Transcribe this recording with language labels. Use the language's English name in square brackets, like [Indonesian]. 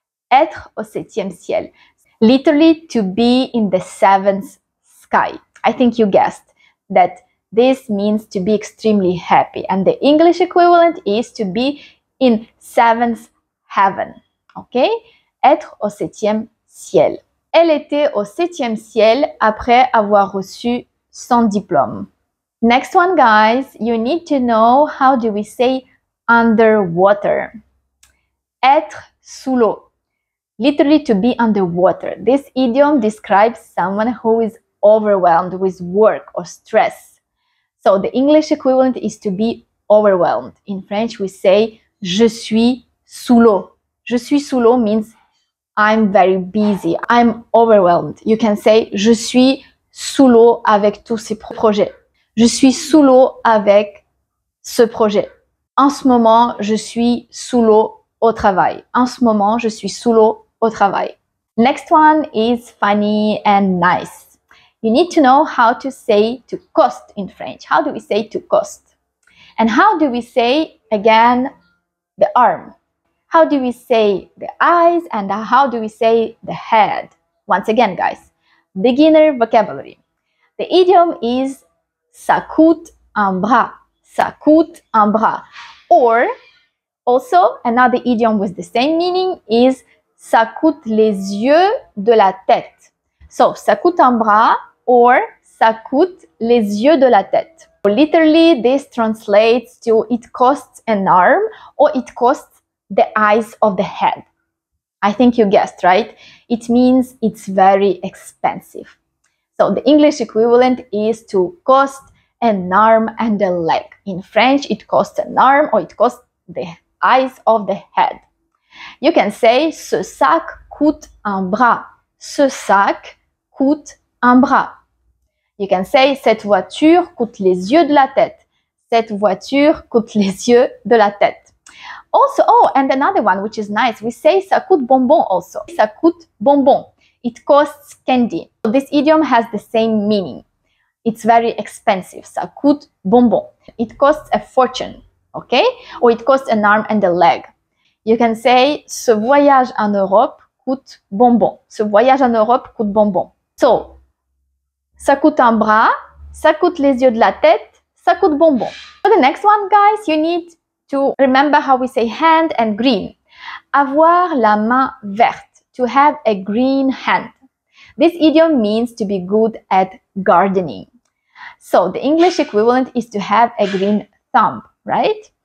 [French] Être au septième ciel. [English] Literally, to be in the seventh sky. I think you guessed that. This means to be extremely happy. And the English equivalent is to be in seventh heaven. [French] Okay? Être au septième ciel. Elle était au septième ciel après avoir reçu son diplôme. [English] Next one, guys. You need to know how do we say underwater. [French] Être sous l'eau. [English] Literally, to be underwater. This idiom describes someone who is overwhelmed with work or stress. So the English equivalent is to be overwhelmed. In French, we say, [French] je suis sous l'eau. Je suis sous l'eau [English] means I'm very busy, I'm overwhelmed. You can say, [French] je suis sous l'eau avec tous ces projets. Je suis sous l'eau avec ce projet. En ce moment, je suis sous l'eau au travail. En ce moment, je suis sous l'eau au travail. [English] Next one is funny and nice. You need to know how to say to cost in French. How do we say to cost? And how do we say, again, the arm? How do we say the eyes? And how do we say the head? Once again, guys, beginner vocabulary. The idiom is [French] ça coûte un bras. Ça coûte un bras. [English] Or, also, another idiom with the same meaning is [French] ça coûte les yeux de la tête. So, ça coûte un bras or ça coûte les yeux de la tête. [English] Literally, this translates to it costs an arm or it costs the eyes of the head. I think you guessed, right? It means it's very expensive. So, the English equivalent is to cost an arm and a leg. In French, it costs an arm or it costs the eyes of the head. You can say, [French] ce sac coûte un bras. Ce sac coûte un bras. [English] You can say, [French] cette voiture coûte les yeux de la tête. Cette voiture coûte les yeux de la tête. [English] Also, oh, and another one, which is nice. We say, [French] ça coûte bonbon [English] also. [French] Ça coûte bonbon. [English] It costs candy. So this idiom has the same meaning. It's very expensive. [French] Ça coûte bonbon. [English] It costs a fortune, okay? Or it costs an arm and a leg. You can say, [French] ce voyage en Europe coûte bonbon. Ce voyage en Europe coûte bonbon. So, ça coûte un bras, ça coûte les yeux de la tête, ça coûte bonbon. [English] For the next one, guys, you need to remember how we say hand and green. [French] Avoir la main verte, [English] to have a green hand. This idiom means to be good at gardening. So, the English equivalent is to have a green thumb, right?